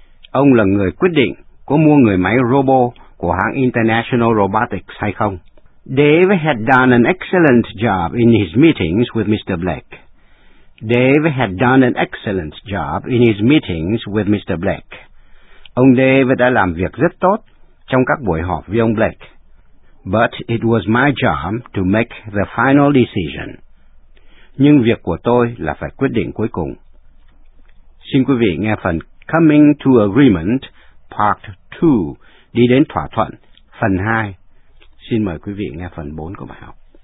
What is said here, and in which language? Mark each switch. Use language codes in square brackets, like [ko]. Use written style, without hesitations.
[vi] Ông là người quyết định có mua người máy robo của hãng International Robotics hay không. [en] Dave had done an excellent job in his meetings with Mr. Blake. Dave had done an excellent job in his meetings with Mr. Blake. [vi] Ông Dave đã làm việc rất tốt trong các buổi họp với ông Blake. But it was my job to make the final decision. Nhưng việc của tôi là phải quyết định cuối cùng. Xin quý vị nghe phần [en] Coming to Agreement, Part 2, [vi] đi đến thỏa thuận, phần 2. Xin mời quý vị nghe phần 4 của bài học.